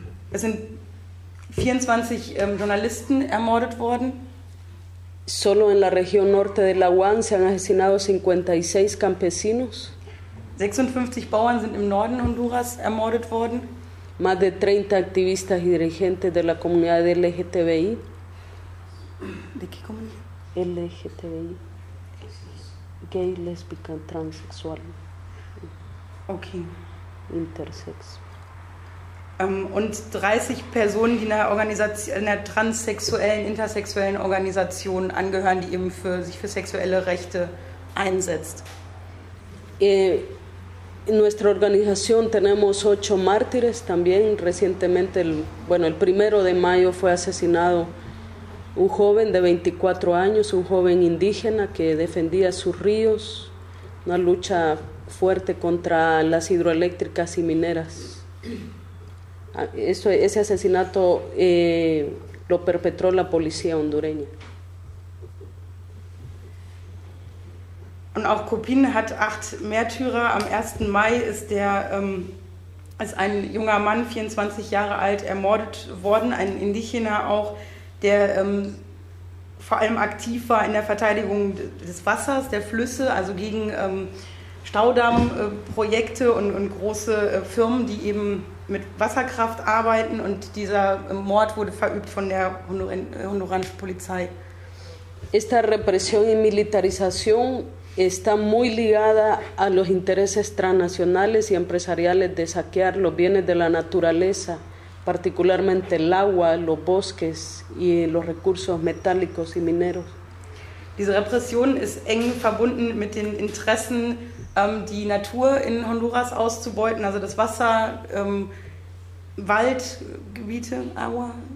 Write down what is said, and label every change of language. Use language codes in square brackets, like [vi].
[de] Es sind 24 Journalisten ermordet worden. [es] Solo en la región norte de La Guan se han asesinado 56 campesinos. [de] 56 Bauern sind im Norden Honduras ermordet worden. [es] Más de 30 activistas y dirigentes de la comunidad LGTBI. ¿De qué comunidad? LGTBI. Gay, lésbica, transexual. Ok. Intersex. [de] Und 30 Personen, die einer transsexuellen, intersexuellen Organisation angehören, die eben sich für sexuelle Rechte einsetzt. [es] In nuestra organización tenemos 8 mártires también. Recientemente, el primero de mayo fue asesinado un joven de 24 años, un joven indígena que defendía sus ríos, una lucha fuerte contra las hidroeléctricas y mineras. Ese asesinato lo perpetró la policía hondureña. [de] Und auch Copin hat 8 Märtyrer. Am 1. Mai ist ein junger Mann, 24 Jahre alt, ermordet worden, ein Indigena auch, der vor allem aktiv war in der Verteidigung des Wassers, der Flüsse, also gegen Staudammprojekte und große Firmen, die eben mit Wasserkraft arbeiten, und dieser Mord wurde verübt von der honduranischen Polizei. [es] Esta represión y militarización está muy ligada a los intereses transnacionales y empresariales de saquear los bienes de la naturaleza, particularmente el agua, los bosques y los recursos metálicos y mineros. [de] Diese Repression ist eng verbunden mit den Interessen, die Natur in Honduras auszubeuten, also das Wasser, Waldgebiete, Agua,